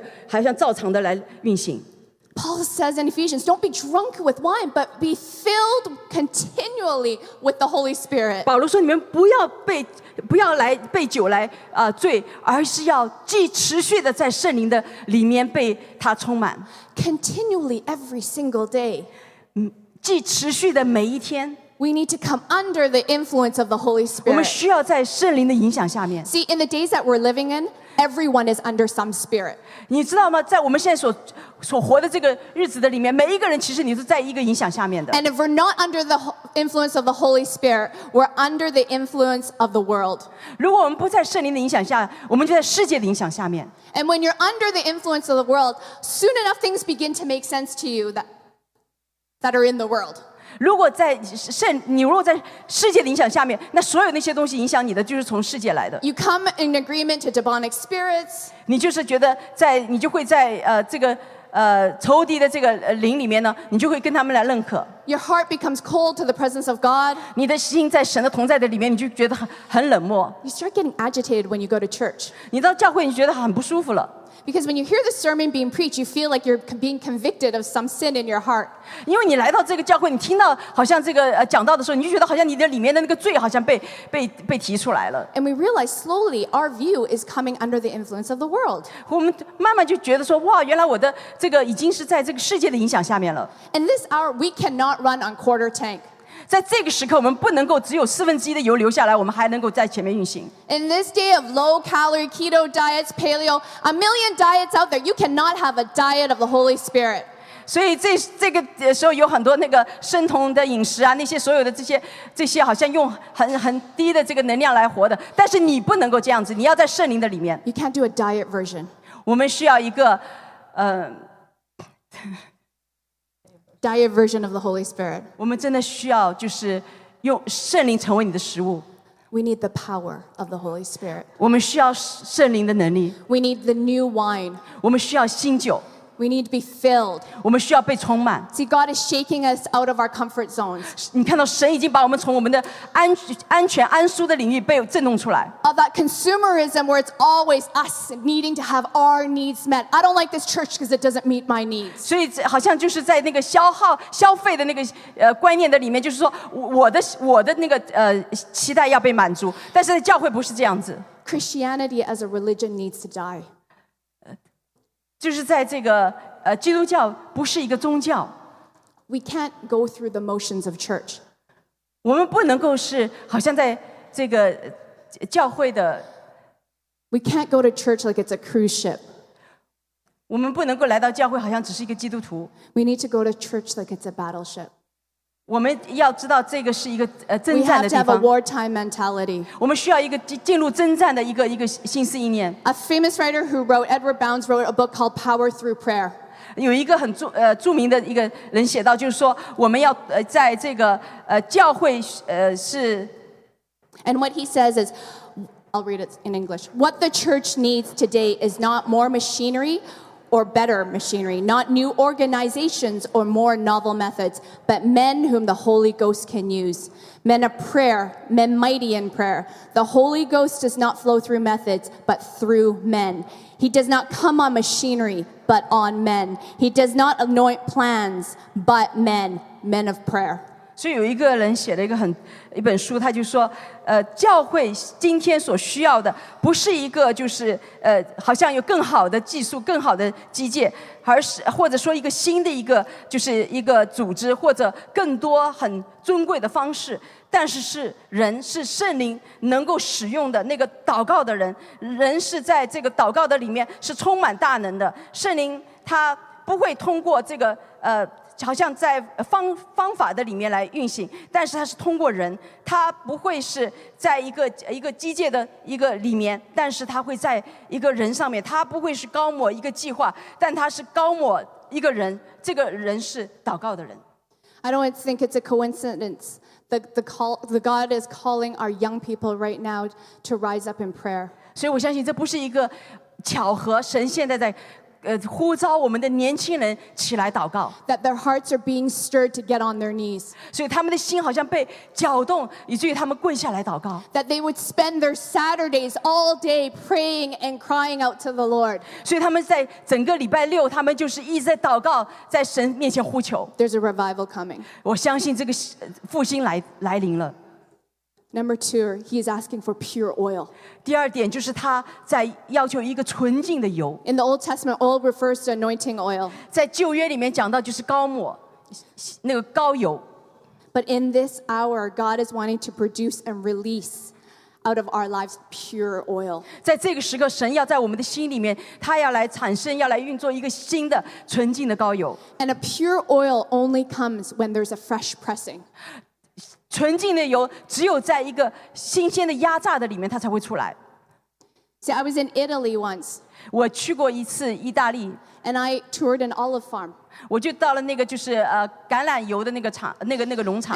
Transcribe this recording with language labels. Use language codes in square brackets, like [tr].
[en] Paul says in Ephesians, don't be drunk with wine, but be filled continually with the Holy Spirit. [zh] 保罗说你们不要被酒来醉，而是要既持续的在圣灵的里面被他充满。 [en] Continually every single day. [zh] 既持续的每一天。 [en] We need to come under the influence of the Holy Spirit. [zh] 我们需要在圣灵的影响下面。 [en] See, in the days that we're living in, everyone is under some spirit. [zh] 你知道吗？在我们现在所活的这个日子的里面，每一个人其实你是在一个影响下面的。 [en] And if we're not under the influence of the Holy Spirit, we're under the influence of the world. [zh] 如果我们不在圣灵的影响下，我们就在世界的影响下面。 [en] And when you're under the influence of the world, soon enough things begin to make sense to you that are in the world. [zh] 如果在圣，你如果在世界的影响下面，那所有那些东西影响你的，就是从世界来的。 [en] You come in agreement to demonic spirits. [zh] 你就是觉得在，你就会在这个仇敌的这个灵里面呢，你就会跟他们来认可。 [en] Your heart becomes cold to the presence of God. [zh] 你的心在神的同在的里面，你就觉得很冷漠。 [en] You start getting agitated when you go to church. [zh] 你到教会，你觉得很不舒服了。 [en] Because when you hear the sermon being preached, you feel like you're being convicted of some sin in your heart. [zh] 因为你来到这个教会，你听到好像这个讲道的时候，你就觉得好像你的里面的那个罪好像被提出来了。 [en] And we realize slowly our view is coming under the influence of the world. [zh] 我们慢慢就觉得说，哇，原来我的这个已经是在这个世界的影响下面了。 [en] And this hour, we cannot run on quarter tank. [zh] 在这个时刻，我们不能够只有四分之一的油留下来，我们还能够在前面运行。 [en] In this day of low-calorie keto diets, paleo, a million diets out there, you cannot have a diet of the Holy Spirit. [zh] 所以这个时候有很多那个生酮的饮食啊，那些所有的这些好像用很低的这个能量来活的，但是你不能够这样子，你要在圣灵的里面。 [en] You can't do a diet version. [zh] 我们需要一个 [en] diet version of the Holy Spirit. [zh] 我们真的需要就是用圣灵成为你的食物。 [en] We need the power of the Holy Spirit. [zh] 我们需要圣灵的能力。 [en] We need the new wine. [zh] 我们需要新酒。 [en] We need to be filled. [zh] 我们需要被充满。 [en] See, God is shaking us out of our comfort zones. [zh] 你看到神已经把我们从我们的安全安舒的领域被震动出来。 [en] Of that consumerism where it's always us needing to have our needs met. I don't like this church because it doesn't meet my needs. [zh] 所以好像就是在那个消费的那个观念的里面，就是说我的那个期待要被满足，但是教会不是这样子。 [en] Christianity as a religion needs to die. [zh] 就是在这个基督教不是一个宗教。 [en] We can't go through the motions of church. [zh] 我们不能够是好像在这个教会的。 [en] We can't go to church like it's a cruise ship. [zh] 我们不能够来到教会好像只是一个基督徒。 [en] We need to go to church like it's a battleship. [zh] 我们要知道这个是一个征战的地方。 [en] We have to have a wartime mentality. [zh] 我们需要一个进入征战的一个心思意念。 [en] A famous writer who wrote, Edward Bounds, wrote a book called Power Through Prayer. [zh] 有一个很著名的一个人写到，就是说我们要在这个教会是。 [en] And what he says is, I'll read it in English. What the church needs today is not more machinery. Or better machinery, not new organizations or more novel methods, but men whom the Holy Ghost can use. Men of prayer, men mighty in prayer. The Holy Ghost does not flow through methods, but through men. He does not come on machinery, but on men. He does not anoint plans, but men, men of prayer. [zh] 所以有一个人写了一本书，他就说，教会今天所需要的不是一个就是好像有更好的技术、更好的机械，而是或者说一个新的一个就是一个组织或者更多很尊贵的方式，但是是人是圣灵能够使用的那个祷告的人，人是在这个祷告的里面是充满大能的，圣灵他不会通过这个好像在方法的里面来运行，但是它是通过人，它不会是在一个机械的一个里面，但是它会在一个人上面，它不会是高抹一个计划，但它是高抹一个人，这个人是祷告的人。 [en] I don't think it's a coincidence that the God is calling our young people right now to rise up in prayer. [zh] 所以我相信这不是一个巧合，神现在在呼召我们的年轻人起来祷告。 [en] That their hearts are being stirred to get on their knees. [zh] 所以他们的心好像被搅动，以至于他们跪下来祷告。 [en] That they would spend their Saturdays all day praying and crying out to the Lord. [zh] 所以他们在整个礼拜六，他们就是一直在祷告，在神面前呼求。 [en] There's a revival coming. [zh] 我相信这个复兴来临了。 [en] Number two, he is asking for pure oil. [zh] 第二点就是他在要求一个纯净的油。 [en] In the Old Testament, oil refers to anointing oil. [zh] 在旧约里面讲到就是膏抹，那个膏油。 [en] But in this hour, God is wanting to produce and release out of our lives pure oil. [zh] 在这个时刻, 神要在我们的心里面, 祂要来产生, 要来运作一个新的纯净的膏油。 [en] And a pure oil only comes when there's a fresh pressing. [zh] 纯净的油只有在一个新鲜的压榨的里面, 祂才会出来。 [en] See, I was in Italy once. [zh] 我去过一次意大利。 [en] And I toured an olive farm. [zh] 我就到了那个就是, 橄榄油的那个厂, 那个农场。